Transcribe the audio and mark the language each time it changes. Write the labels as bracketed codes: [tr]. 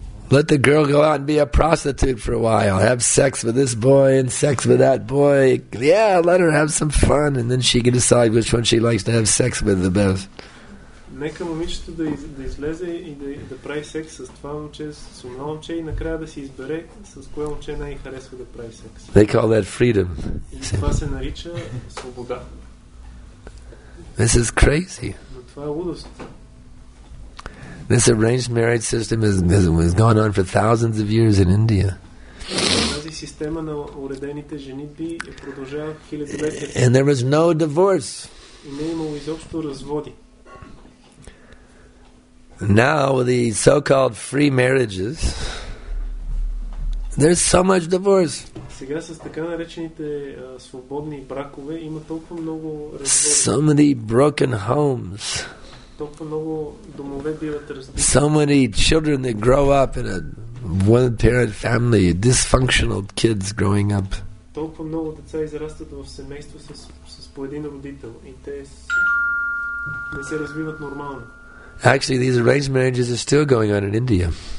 [en] Let the girl go out and be a prostitute for a while. Have sex with this boy and sex with that boy. Yeah, let her have some fun, and then she can decide which one she likes to have sex with the best. [bg] Нека момичето да излезе и да прави секс с това момче, с това момче и накрая да си избере с кое момче най харесва да прави секс. [en] They call that freedom. [bg] И това се нарича свобода. [en] This is crazy. [bg] Но това е лудост. [en] This arranged marriage system has gone on for thousands of years in India. [bg] Тази система на уредените женитби е продължава хилядолетия. [en] And there was no divorce. [bg] И не е имало изобщо разводи. [en] Now the so-called free marriages, there's so much divorce. [bg] Сега с така наречените свободни бракове има толкова много разводи. [en] So many broken homes. [bg] Толкова много домове биват разбити. [en] So many children that grow up in a one-parent family, dysfunctional kids growing up. [bg] Толкова много деца израстват в семейство с по един родител и те не се развиват нормално. [en] Actually, these arranged marriages are still going on in India.